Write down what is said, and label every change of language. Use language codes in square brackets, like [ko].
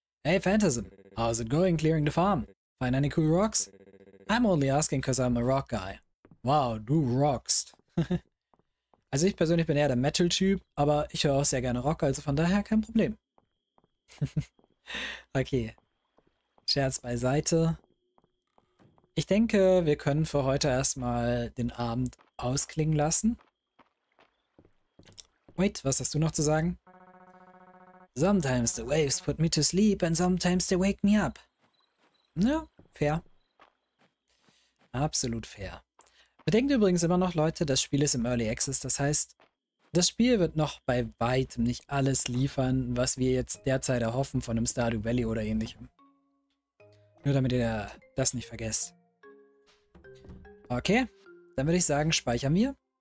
[en] Hey, Phantasm, how's it going clearing the farm? Find any cool rocks? I'm only asking because I'm a rock guy. [de] Wow, du rockst. Also ich persönlich bin eher der Metal-Typ, aber ich höre auch sehr gerne Rock, also von daher kein Problem. Okay. Scherz beiseite. Ich denke, wir können für heute erstmal den Abend ausklingen lassen. Wait, was hast du noch zu sagen? [en] Sometimes the waves put me to sleep and sometimes they wake me up. [de] Ja, fair. Absolut fair. Bedenkt übrigens immer noch, Leute, das Spiel ist im Early Access. Das heißt, das Spiel wird noch bei weitem nicht alles liefern, was wir jetzt derzeit erhoffen von einem Stardew Valley oder ähnlichem. Nur damit ihr das nicht vergesst. Okay, dann würde ich sagen, speichern wir.